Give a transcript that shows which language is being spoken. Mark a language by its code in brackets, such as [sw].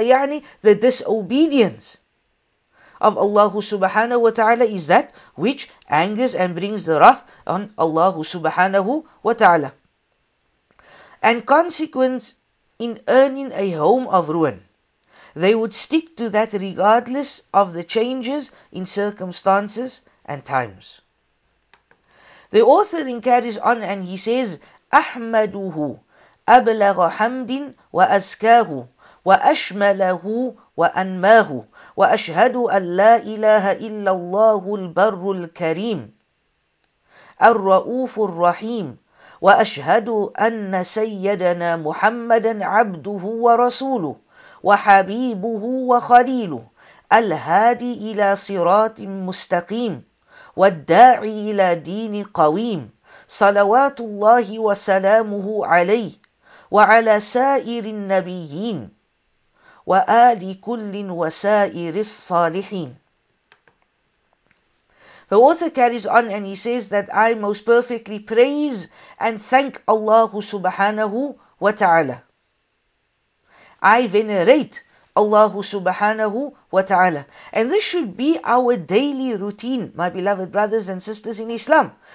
[en] Ya'ni, the disobedience of Allah subhanahu wa ta'ala is that which angers and brings the wrath on Allah subhanahu wa ta'ala. And consequence in earning a home of ruin, they would stick to that regardless of the changes in circumstances and times. The author then carries on and he says, [ar] أَحْمَدُهُ أَبْلَغَ حَمْدٍ وَأَزْكَاهُ وَأَشْمَلَهُ وَأَنْمَاهُ وَأَشْهَدُ أَنْ لَا إِلَهَ إِلَّا اللَّهُ الْبَرُّ الْكَرِيمُ الرَّؤُوفُ الرَّحِيمُ وأشهد أن سيدنا محمدا عبده ورسوله وحبيبه وخليله الهادي إلى صراط مستقيم والداعي إلى دين قويم صلوات الله وسلامه عليه وعلى سائر النبيين وآل كل وسائر الصالحين. [en] The author carries on and he says that I most perfectly praise and thank Allah subhanahu wa ta'ala. I venerate Allah subhanahu wa ta'ala. And this should be our daily routine, my beloved brothers and sisters in Islam.